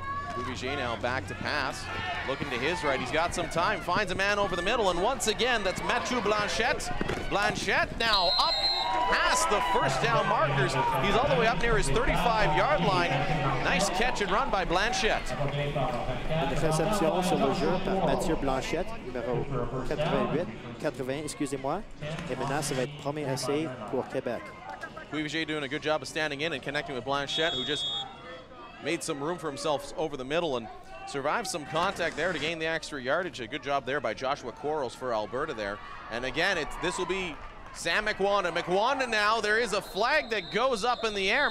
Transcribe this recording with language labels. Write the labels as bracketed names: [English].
[English] Cuivigier now back to pass, looking to his right. He's got some time, finds a man over the middle, and once again, that's Mathieu Blanchette. Blanchette now up past the first down markers. He's all the way up near his 35-yard line. Nice catch and run by Blanchette. [French] Une réception sur le jeu par Mathieu Blanchette, numéro 80, excusez-moi. Et maintenant, ça va être premier essai pour Québec. [English] Cuivigier doing a good job of standing in and connecting with Blanchette, who just made some room for himself over the middle and survived some contact there to gain the extra yardage. A good job there by Joshua Quarles for Alberta there. And again, this will be Sam Mukwanda. Mukwanda now, there is a flag that goes up in the air.